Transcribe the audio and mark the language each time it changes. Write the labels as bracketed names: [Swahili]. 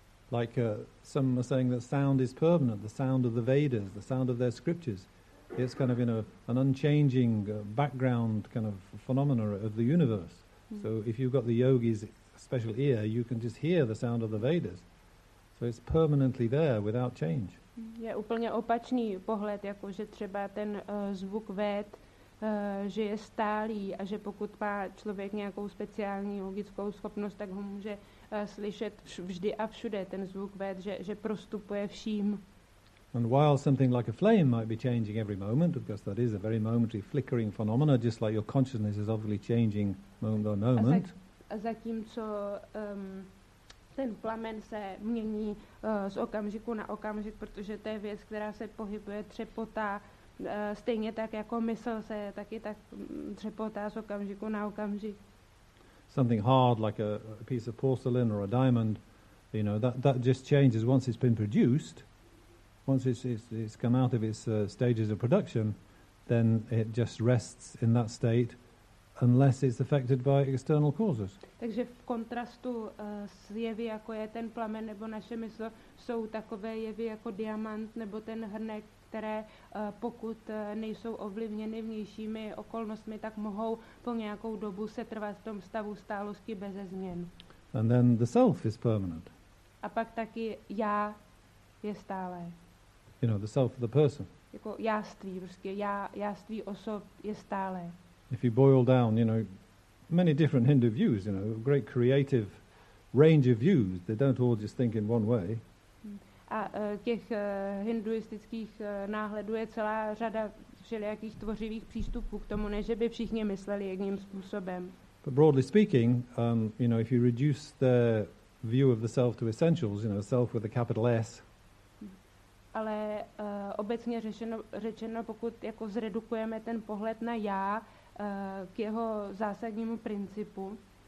[English] Like some are saying that sound is permanent, the sound of the Vedas, the sound of their scriptures. It's kind of, you know, an unchanging background kind of phenomena of the universe. So if you've got the yogi's special ear, you can just hear the sound of the Vedas. So it's permanently there without change. [Czech] Je úplně opačný pohled, jako že třeba ten zvuk Véd, že je stálý a že pokud má člověk nějakou speciální logickou schopnost, tak ho může slyšet vždy a všude ten zvuk Véd, že prostupuje vším. [English] And while something like a flame might be changing every moment, because that is a very momentary flickering phenomena, just like your consciousness is obviously changing moment by moment. [Czech] A zatímco ten plamen se mění z okamžiku na okamžik, protože to je věc, která se pohybuje, třepotá, stejně tak jako mysl se taky tak třepotá z okamžiku na okamžik. [English] Something hard like a piece of porcelain or a diamond, you know, that just changes once it's been produced. Once it's come out of its stages of production, then it just rests in that state unless it's affected by external causes. [Czech] Takže v kontrastu s jevy, jako je ten plamen nebo naše mysl, jsou takové jevy jako diamant nebo ten hrnek, které pokud nejsou ovlivněny vnějšími okolnostmi, tak mohou po nějakou dobu setrvat v tom stavu stálosti bez změn. [English] And then the self is permanent. [Czech] A pak taky já je stálé. [English] You know, the self of the person. [Czech] Jako jáství, prostě jáství osob je stálé. [English] If you boil down, you know, many different Hindu views, you know, great creative range of views. They don't all just think in one way. [Czech] A těch hinduistických náhledů je celá řada všelijakých tvořivých přístupů k tomu, než by všichni mysleli jedním způsobem. [English] But broadly speaking, you know, if you reduce the view of the self to essentials, you know, self with a capital S. [Czech] Ale obecně řečeno, pokud jako zredukujeme ten pohled na já, k jeho zásadnímu principu.